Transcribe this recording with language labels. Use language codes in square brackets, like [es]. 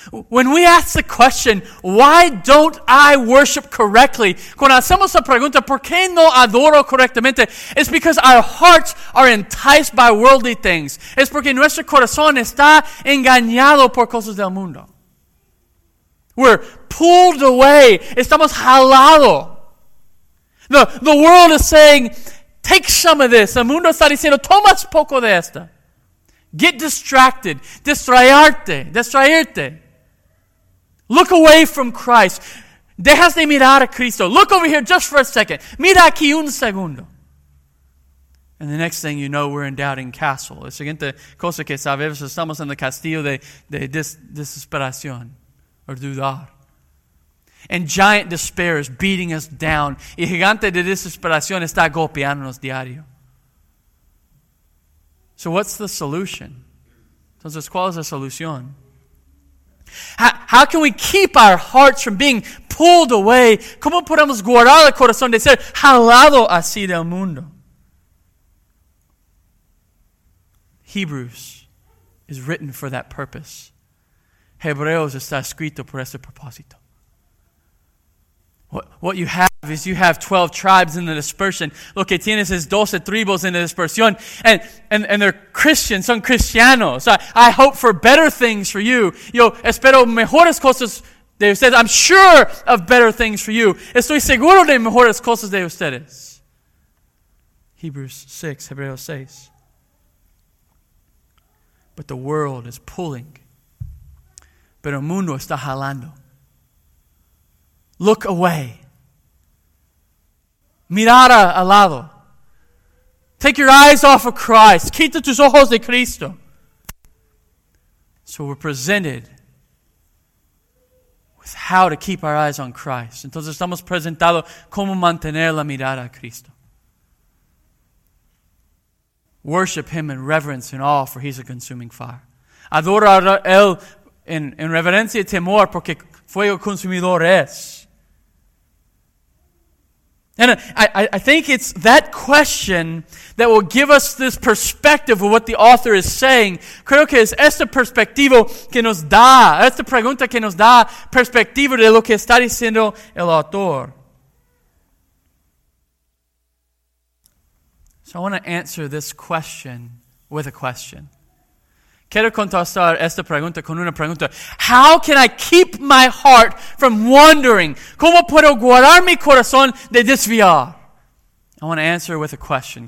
[en] When we ask the question, why don't I worship correctly? [es] Cuando hacemos la pregunta, ¿por qué no adoro correctamente? [en] It's because our hearts are enticed by worldly things. [es] Es porque nuestro corazón está engañado por cosas del mundo. [en] We're pulled away. [es] Estamos jalado. [en] The world is saying, take some of this. [es] El mundo está diciendo, toma poco de esta. [en] Get distracted. [es] Distraerte. [en] Look away from Christ. [es] Dejas de mirar a Cristo. [en] Look over here just for a second. [es] Mira aquí un segundo. [en] And the next thing you know, we're in Doubting Castle. [es] La siguiente cosa que sabemos, estamos en el castillo de desesperación. [en] Or [es] dudar. [en] And giant despair is beating us down. [es] Y gigante de desesperación está golpeándonos diario. [en] So what's the solution? [es] Entonces, ¿cuál es la solución? [en] How can we keep our hearts from being pulled away? [es] ¿Cómo podemos guardar el corazón de ser jalado así del mundo? [en] Hebrews is written for that purpose. [es] Hebreos está escrito por ese propósito. [en] What you have is you have 12 tribes in the dispersion. [es] Lo que tienes es 12 tribus en la dispersión. [en] And they're Christians, [es] son cristianos. [en] I hope for better things for you. [es] Yo espero mejores cosas de ustedes. [en] I'm sure of better things for you. [es] Estoy seguro de mejores cosas de ustedes. Hebreos 6. [en] But the world is pulling. [es] Pero el mundo está jalando. [en] Look away. [es] Mirar al lado. [en] Take your eyes off of Christ. [es] Quita tus ojos de Cristo. [en] So we're presented with how to keep our eyes on Christ. [es] Entonces estamos presentados cómo mantener la mirada a Cristo. [en] Worship Him in reverence and awe, for He's a consuming fire. [es] Adora a Él en reverencia y temor, porque fuego consumidor es. [en] And I think it's that question that will give us this perspective of what the author is saying. [es] Creo que es esta perspectiva que nos da, esta pregunta que nos da perspectiva de lo que está diciendo el autor. [en] So I want to answer this question with a question. [es] Quiero contestar esta pregunta con una pregunta. [en] How can I keep my heart from wandering? [es] ¿Cómo puedo guardar mi corazón de desviar? [en] I want to answer with a question.